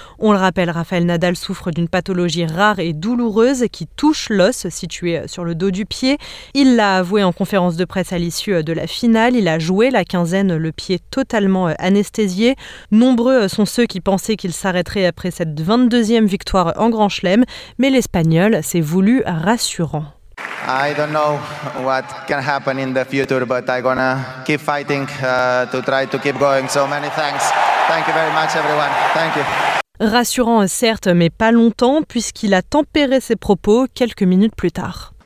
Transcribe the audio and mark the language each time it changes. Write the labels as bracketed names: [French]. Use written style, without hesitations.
[French] On le rappelle, Raphaël Nadal souffre d'une pathologie rare et douloureuse qui touche l'os situé sur le dos du pied. Il l'a avoué en conférence de presse à l'issue de la finale, il a joué la quinzaine le pied totalement anesthésié. Nombreux sont ceux qui pensaient qu'il s'arrêterait après cette 22e victoire en Grand Chelem, mais l'Espagnol s'est voulu rassurant. [English] I don't know what can happen in the future, but I'm gonna keep fighting to try to keep going. So many thanks. Thank you very much, everyone. Thank you. [French] Rassurant, certes, mais pas longtemps, puisqu'il a tempéré ses propos quelques minutes plus tard.